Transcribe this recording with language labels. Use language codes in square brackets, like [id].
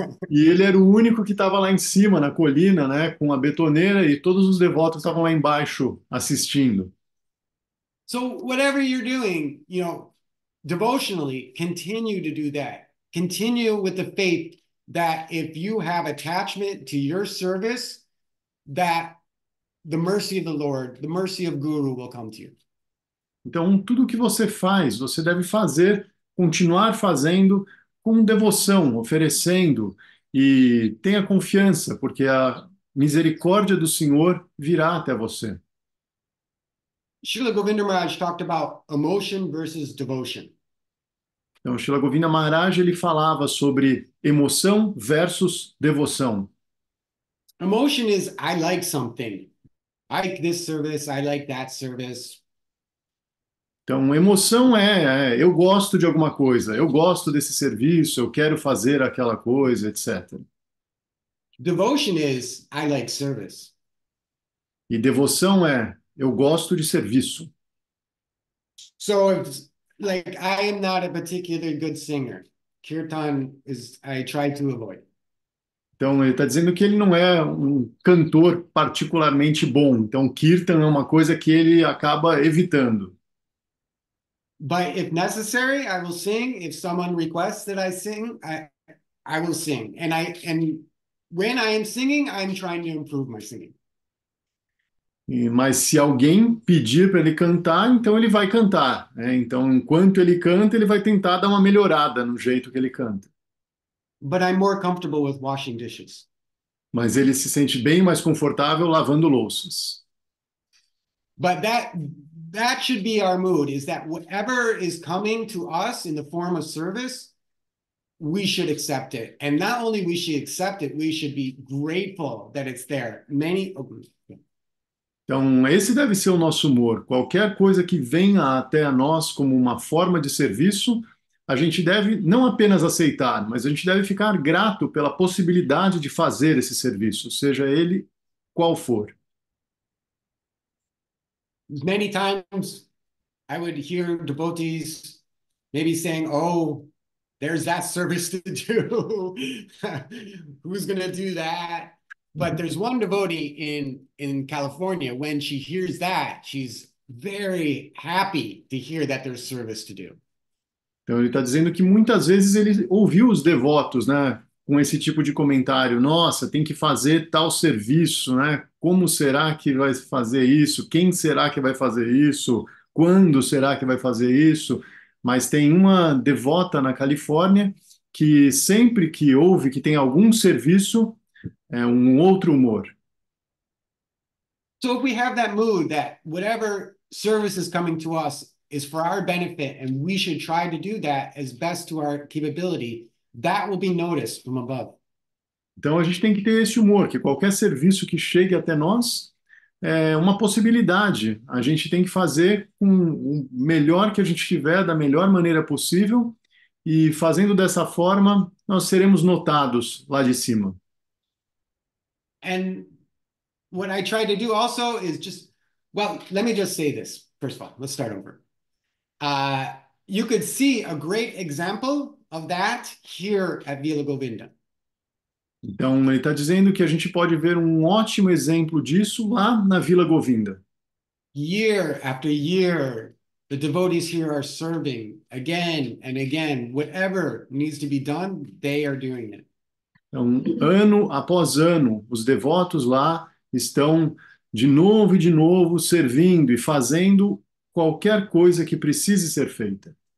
[pt] E ele era o único que estava lá em cima na colina, né, com a betoneira, e todos os devotos estavam lá embaixo assistindo. [en] So whatever you're doing, you know, devotionally, continue to do that. Continue with the faith that if you have attachment to your service, that the mercy of the Lord, the mercy of Guru will come to you. [pt] Então, tudo que você faz, você deve fazer, continuar fazendo com devoção, oferecendo, e tenha confiança, porque a misericórdia do Senhor virá até você. [en] Srila Govinda Maharaj talked about emotion versus devotion. [pt] Então, Srila Govinda Maharaj, ele falava sobre emoção versus devoção. [en] Emotion is, I like something. I like this service, I like that service. [pt] Então, emoção é, eu gosto de alguma coisa, eu gosto desse serviço, eu quero fazer aquela coisa, etc. [en] Devotion is, I like service. [pt] E devoção é, eu gosto de serviço. [en] So, like, I am not a particularly good singer. Kirtan is, I try to avoid. [pt] Então, ele está dizendo que ele não é um cantor particularmente bom. Então, Kirtan é uma coisa que ele acaba evitando. [en] But if necessary, I will sing. If someone requests that I sing, I will sing. And when I am singing, I'm trying to improve my singing. [pt] Mas se alguém pedir para ele cantar, então ele vai cantar. Né? Então, enquanto ele canta, ele vai tentar dar uma melhorada no jeito que ele canta. [en] But I'm more comfortable with washing dishes. [pt] Mas ele se sente bem mais confortável lavando louças. [en] But that should be our mood, is that whatever is coming to us in the form of service, we should accept it. And not only we should accept it, we should be grateful that it's there. [pt] Então, esse deve ser o nosso humor. Qualquer coisa que venha até a nós como uma forma de serviço, a gente deve não apenas aceitar, mas a gente deve ficar grato pela possibilidade de fazer esse serviço, seja ele qual for. [en] Many times I would hear devotees maybe saying, oh, there's that service to do. Who's going to do that? But there's one devotee in California, when she hears that, she's very happy to hear that there's service to do. [pt] Então, ele está dizendo que muitas vezes ele ouviu os devotos, né, com esse tipo de comentário. Nossa, tem que fazer tal serviço, né? Como será que vai fazer isso? Quem será que vai fazer isso? Quando será que vai fazer isso? Mas tem uma devota na Califórnia que sempre que ouve que tem algum serviço, é um outro humor. [en] So if we have that mood that whatever service is coming to us is for our benefit and we should try to do that as best to our capability, that will be noticed from above. [pt] Então a gente tem que ter esse humor, que qualquer serviço que chegue até nós é uma possibilidade. A gente tem que fazer com o melhor que a gente tiver, da melhor maneira possível, e fazendo dessa forma, nós seremos notados lá de cima. [en] And what I try to do also is just, well, let me just say this, first of all, let's start over. You could see a great example of that here at Vila Govinda. [pt] Então, ele está dizendo que a gente pode ver um ótimo exemplo disso lá na Vila Govinda. [en] Year after year, the devotees here are serving again and again. Whatever needs to be done, they are doing it. [pt] Então, ano após ano, os devotos lá estão de novo e de novo servindo e fazendo qualquer coisa que precise ser feita.